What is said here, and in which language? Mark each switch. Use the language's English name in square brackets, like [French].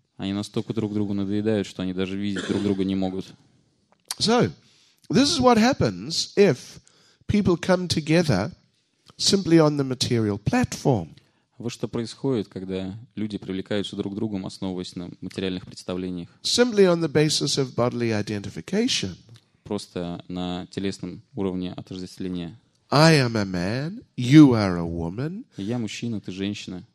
[Russian] Они настолько друг другу надоедают, что они даже видеть друг друга не могут. [English] So, this is what happens if people come together simply on the material platform. [Russian] Вот что происходит, когда люди привлекаются друг к другу, основываясь на материальных представлениях. [English] Simply on the basis of bodily identification. [Russian] Просто на телесном уровне отождествления. [English] I am a man, you are a woman. [Russian] Я мужчина, ты женщина.